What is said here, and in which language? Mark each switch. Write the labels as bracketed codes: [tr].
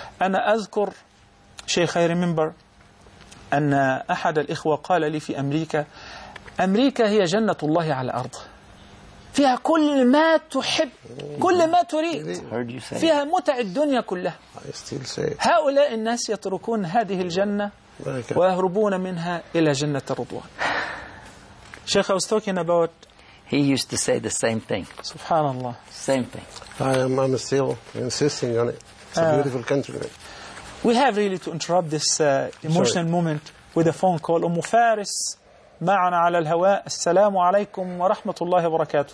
[ar] أنا أذكر شيخ خير منبر أن أحد الإخوة قال لي في أمريكا، أمريكا هي جنة الله على الأرض، فيها كل ما تحب كل ما تريد، فيها متع الدنيا كلها. هؤلاء الناس يتركون هذه الجنة ويهربون منها إلى جنة الرضوان. [en] شيخ، I was talking about. He used to say the same thing. [ar] سبحان الله. [en] Same thing. I'm still insisting on it. It's a beautiful country. We have really to interrupt this emotional moment with a phone call. [ar] أم فارس معنا على الهواء. السلام عليكم ورحمة الله وبركاته.